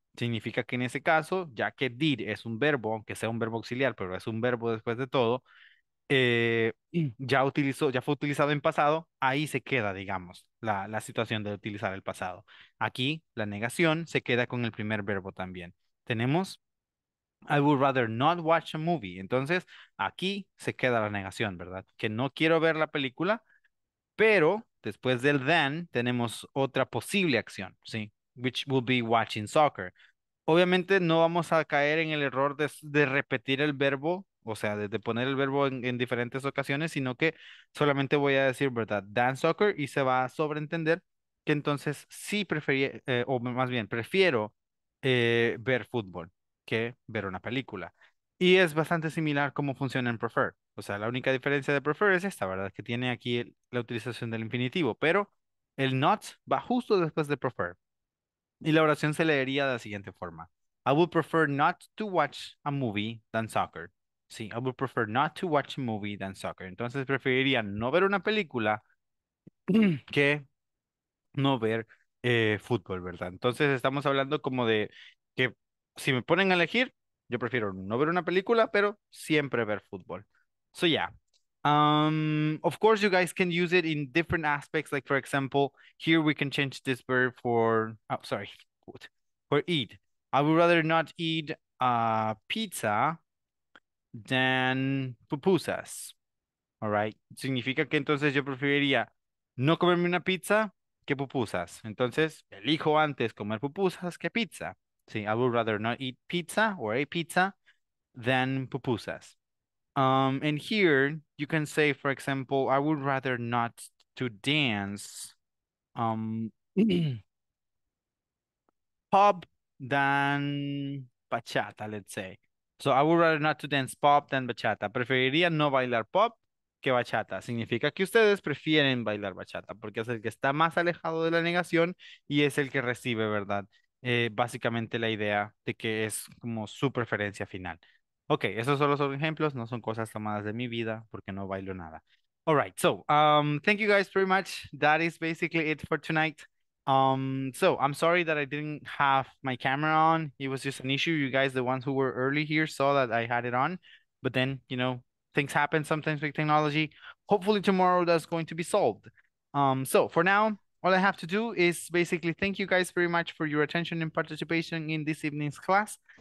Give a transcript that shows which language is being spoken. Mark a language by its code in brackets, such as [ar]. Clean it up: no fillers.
[es] Significa que en ese caso, ya que did es un verbo, aunque sea un verbo auxiliar, pero es un verbo después de todo, ya fue utilizado en pasado, ahí se queda, digamos, la situación de utilizar el pasado. Aquí, la negación se queda con el primer verbo también. [en] Tenemos, I would rather not watch a movie. [es] Entonces, aquí se queda la negación, ¿verdad? Que no quiero ver la película. Pero después del then, tenemos otra posible acción, ¿sí? [en] Which will be watching soccer. [es] Obviamente no vamos a caer en el error de repetir el verbo, o sea, de poner el verbo en diferentes ocasiones, sino que solamente voy a decir, ¿verdad? [en] Than soccer, [es] y se va a sobreentender que entonces sí prefería, o más bien, prefiero ver fútbol que ver una película. Y es bastante similar cómo funciona en prefer. O sea, la única diferencia de prefer es esta, ¿verdad? Que tiene aquí la utilización del infinitivo. Pero el not va justo después de prefer. Y la oración se leería de la siguiente forma. [en] I would prefer not to watch a movie than soccer. Sí, I would prefer not to watch a movie than soccer. [es] Entonces, preferiría no ver una película que no ver fútbol, ¿verdad? Entonces, estamos hablando como de que si me ponen a elegir, yo prefiero no ver una película, pero siempre ver fútbol. [en] So yeah, of course you guys can use it in different aspects. Like for example, here we can change this verb for eat. I would rather not eat pizza than pupusas. [es] All right, significa que entonces yo preferiría no comerme una pizza que pupusas. Entonces elijo antes comer pupusas que pizza. Sí, [en] I would rather not eat pizza or a pizza than pupusas. And here you can say, for example, I would rather not to dance pop than bachata, let's say. So I would rather not to dance pop than bachata. [es] Preferiría no bailar pop que bachata. Significa que ustedes prefieren bailar bachata porque es el que está más alejado de la negación y es el que recibe, ¿verdad? Básicamente la idea de que es como su preferencia final. Ok, esos solo son ejemplos, no son cosas tomadas de mi vida porque no bailo nada. [en] All right, so thank you guys very much. That is basically it for tonight. So I'm sorry that I didn't have my camera on. It was just an issue. You guys, the ones who were early here, saw that I had it on. But then, you know, things happen sometimes with technology. Hopefully tomorrow that's going to be solved. So for now, all I have to do is basically thank you guys very much for your attention and participation in this evening's class.